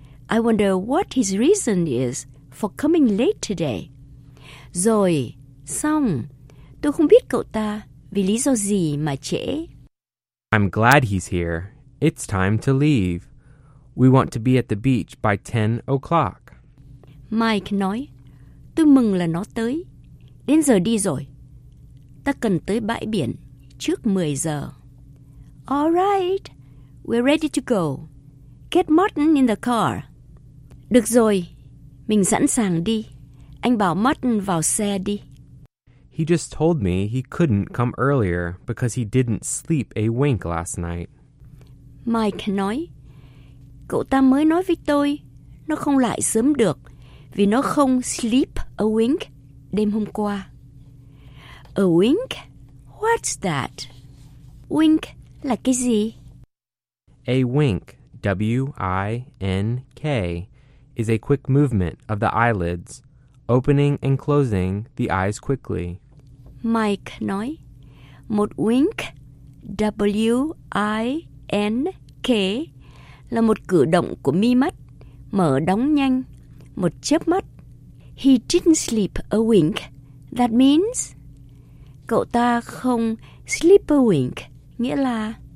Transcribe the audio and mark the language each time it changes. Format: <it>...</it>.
<en>I wonder what his reason is for coming late today.</en> <vi>Rồi, xong. Tôi không biết cậu ta vì lý do gì mà trễ.</vi> <en>I'm glad he's here. It's time to leave. We want to be at the beach by 10 o'clock.</en> <vi>Mike nói, tôi mừng là nó tới. Đến giờ đi rồi. Ta cần tới bãi biển trước 10 giờ.</vi> <en>All right, we're ready to go. Get Martin in the car.</en> <vi>Được rồi, mình sẵn sàng đi. Anh bảo Martin vào xe đi.</vi> <en>He just told me he couldn't come earlier because he didn't sleep a wink last night.</en> <vi>Mike nói, cậu ta mới nói với tôi, nó không lại sớm được vì nó không</vi> <en>sleep a wink</en> <vi>đêm hôm qua.</vi> <en>A wink? What's that?</en> <vi>Wink là cái gì?</vi> <en>A wink, W-I-N-K, is a quick movement of the eyelids, opening and closing the eyes quickly.</en> <vi>Mike nói, một wink, W-I-N-K, là một cử động của mi mắt, mở đóng nhanh, một chớp mắt.</vi> <en>He didn't sleep a wink, that means...</en> <vi>Cậu ta không sleep a wink, nghĩa là...</vi>